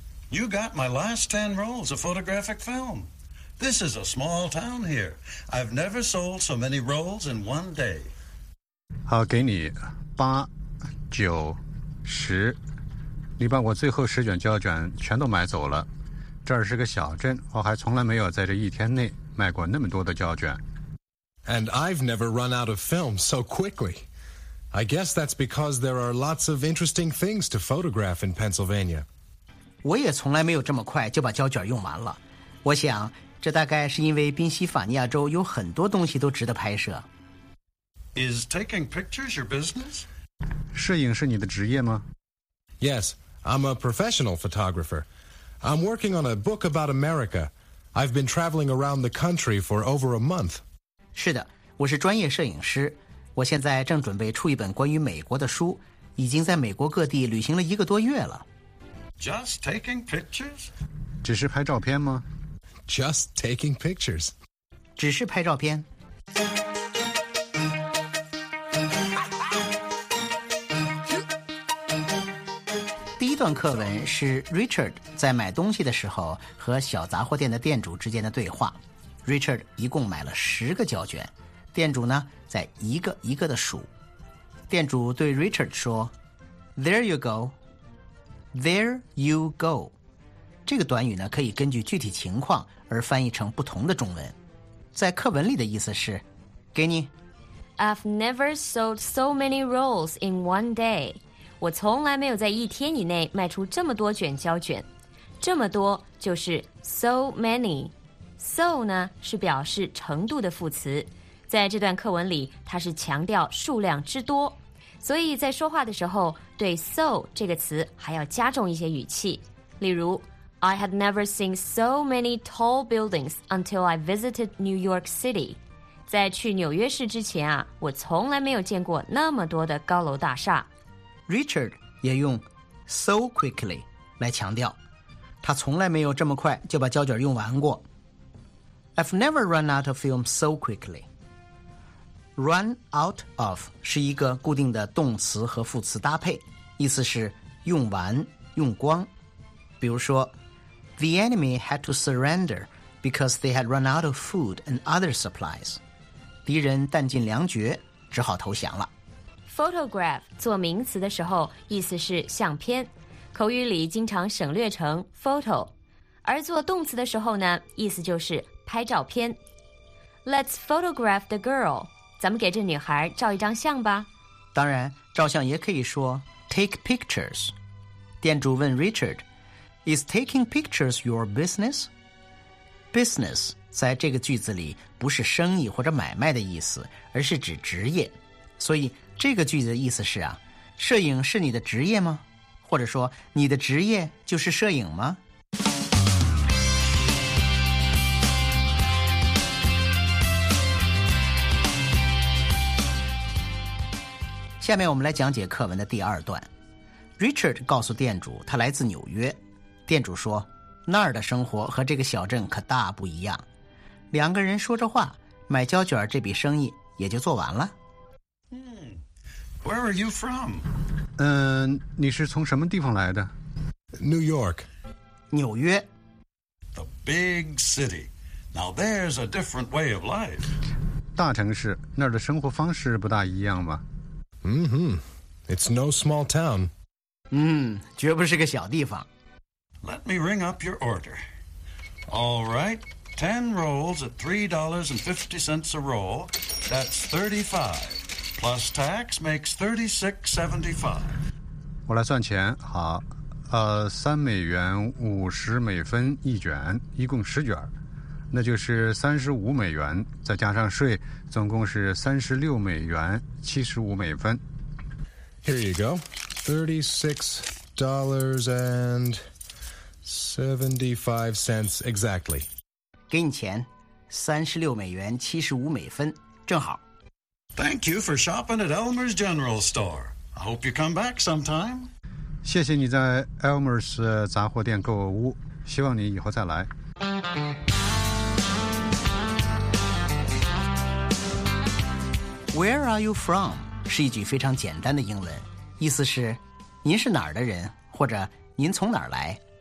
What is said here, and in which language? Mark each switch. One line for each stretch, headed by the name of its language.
English: You got my last 10 rolls of photographic film. This is a small town here. I've never sold so many rolls in one day.
Chinese: 好，给你八、九、十。你把我最后十卷胶卷全都买走了。这儿是个小镇，我还从来没有在这一天内卖过那么多的胶卷。
English: And I've never run out of film so quickly. I guess that's because there are lots of interesting things to photograph in Pennsylvania.
Chinese: 我也从来没有这么快就把胶卷用完了。我想这大概是因为宾夕法尼亚州有很多东西都值得拍摄。
English: Is taking pictures your business?
Chinese: 摄影是你的职业吗？
English: Yes, I'm a professional photographer. I'm working on a book about America. I've been traveling around the country for over a month.
Chinese: 是的，我是专业摄影师。我现在正准备出一本关于美国的书，已经在美国各地旅行了一个多月了。
English: Just taking pictures?
Chinese: 只是拍照片吗？
English: Just taking pictures.
Chinese: 只是拍照片。第一段课文是 Richard 在买东西的时候和小杂货店的店主之间的对话。 Richard 一共买了十个胶卷，店主呢，在一个一个的数。店主对 Richard 说 ,
English: There you go. There you go.
Chinese: 这个短语呢，可以根据具体情况而翻译成不同的中文。在课文里的意思是，给你。
English: I've never sold so many rolls in one day.
Chinese: 我从来没有在一天以内卖出这么多卷胶卷。这么多就是 so many. So 呢，是表示程度的副词。在这段课文里，它是强调数量之多。所以在说话的时候，对 so 这个词还要加重一些语气。例如
English: I had never seen so many tall buildings until I visited New York City.
Chinese: 在去纽约市之前啊，我从来没有见过那么多的高楼大厦。 Richard 也用 so quickly 来强调，他从来没有这么快就把胶卷用完过。
English: I've never run out of film so quickly.
Chinese: Run out of 是一个固定的动词和副词搭配，意思是用完、用光。比如说
English: The enemy had to surrender because they had run out of food and other supplies.
Chinese: 敌人弹尽粮绝，只好投降了。 Photograph 做名词的时候，意思是相片，口语里经常省略成 photo， 而做动词的时候呢，意思就是拍照片。
English: Let's photograph the girl.
Chinese: 咱们给这女孩照一张相吧。当然，照相也可以说 take pictures。店主问 Richard。
English: Is taking pictures your business?
Chinese: Business 在这个句子里不是生意或者买卖的意思，而是指职业。所以这个句子的意思是啊，摄影是你的职业吗？或者说你的职业就是摄影吗？下面我们来讲解课文的第二段。Richard 告诉店主他来自纽约，店主说那儿的生活和这个小镇可大不一样。两个人说着话，买胶卷这笔生意也就做完了。
English: Where are you from?
Chinese: 你是从什么地方来的？
English: New York.
Chinese: 纽约。
English: The big city. Now there's a different way of life.
Chinese: 大城市，那儿的生活方式不大一样吧？
English: Mm-hmm. It's no small town.
Chinese: 绝不是个小地方。
English: Let me ring up your order. All right. 10 rolls at $3.50 a roll. That's 35. Plus tax makes $36.75.
Chinese: 我来算钱，好，$3五十美分一卷，一共十卷，那就是$35，再加上税，总共是$36.75。
English: Here you go, $36.75 exactly.
Chinese: 给你钱，$36.75，正好。
English: Thank you for shopping at Elmer's General Store. I hope you come back sometime.
Chinese: 谢谢你在 Elmer's 杂货店购物，希望你以后再来。
English: Where are you from?
Chinese: 是一句非常简单的英文，意思是您是哪儿的人，或者您从哪儿来。